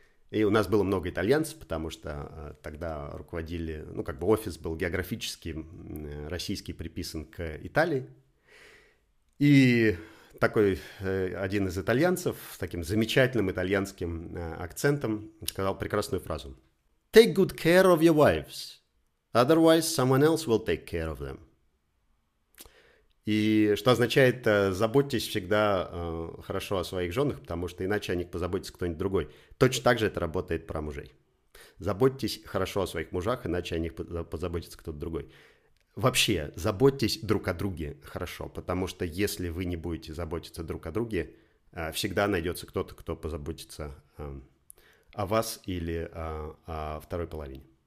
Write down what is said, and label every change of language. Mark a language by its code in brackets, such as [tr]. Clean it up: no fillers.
[ru] И у нас было много итальянцев, потому что тогда руководили, ну, как бы офис был географически российский, приписан к Италии. И такой один из итальянцев с таким замечательным итальянским акцентом сказал прекрасную фразу. [en] Take good care of your wives, otherwise someone else will take care of them. [ru] И что означает, заботьтесь всегда хорошо о своих женах, потому что иначе о них позаботится кто-нибудь другой. Точно так же это работает про мужей. Заботьтесь хорошо о своих мужах, иначе о них позаботится кто-то другой. Вообще, заботьтесь друг о друге хорошо, потому что если вы не будете заботиться друг о друге, всегда найдется кто-то, кто позаботится о вас или о второй половине.